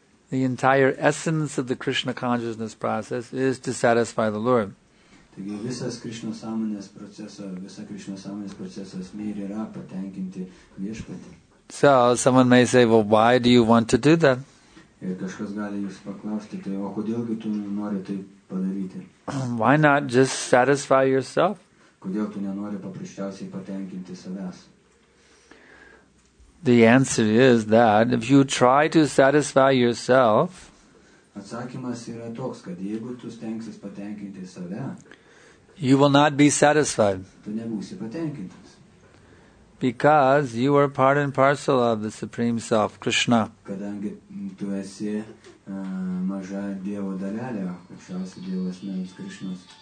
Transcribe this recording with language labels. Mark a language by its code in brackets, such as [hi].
[en] The entire essence of the Krishna consciousness process is to satisfy the Lord. [lt] Taigi visas Krishna sąmonės procesas, visa Krishna sąmonės procesas mėr yra patenkinti viešpatį. [en] So someone may say, well, why do you want to do that? [lt] Ir kažkas gali jūs paklausti, tai o kodėlgi tu nori tai padaryti? [en] Why not just satisfy yourself? [lt] Kodėl tu nenori paprasčiausiai patenkinti savęs? [en] The answer is that if you try to satisfy yourself, [lt] atsakymas yra toks, kad jeigu tu stengsis patenkinti save, [en] you will not be satisfied. [lt] Tu nebūsi patenkintas. [en] Because you are part and parcel of the Supreme Self, Krishna. [lt] Kadangi tu esi maža Dievo dalelė, aukščiausia Dievo asmenis Krishnas.